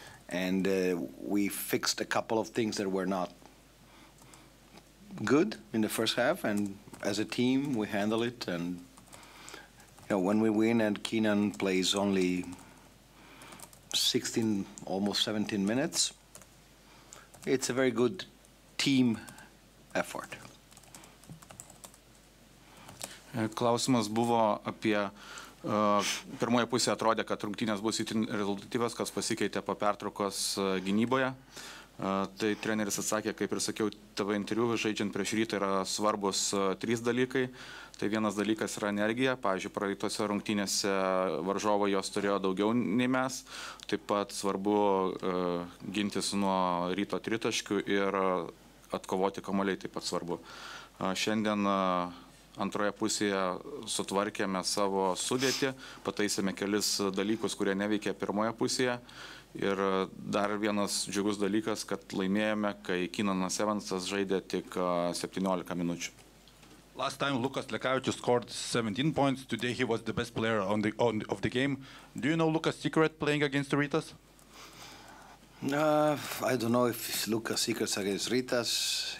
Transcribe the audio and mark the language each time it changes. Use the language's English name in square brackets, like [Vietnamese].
[English] And we fixed a couple of things that were not good in the first half, and as a team we handle it. And you know, when we win and Keenan plays only 16, almost 17 minutes, it's a very good team effort. [Lithuanian] Klausimas buvo apie pirmoje pusėje atrodė, kad rungtynės bus itin rezultatyvas, kas pasikeitė po pertraukos gynyboje. Tai treneris atsakė, kaip ir sakiau TV interviu, žaidžiant prieš rytą yra svarbus trys dalykai. Tai vienas dalykas yra energija. Pavyzdžiui, praeitose rungtynėse varžovai jos turėjo daugiau nei mes. Taip pat svarbu gintis nuo ryto tritaškių ir atkovoti kamuoliai taip pat svarbu. Šiandien antroje pusėje sutvarkėme savo sudėtį, pataisėme kelis dalykus, kurie neveikė pirmoje pusėje. Ir dar vienas džiugus dalykas, kad laimėjome, kai Kinanas Evansas žaidė tik 17 minučių. [English] Last time Lukas Lekavičius scored 17 points, today he was the best player of the game. Do you know Lukas' secret playing against Ritas? I don't know if Lukas' secret against Ritas.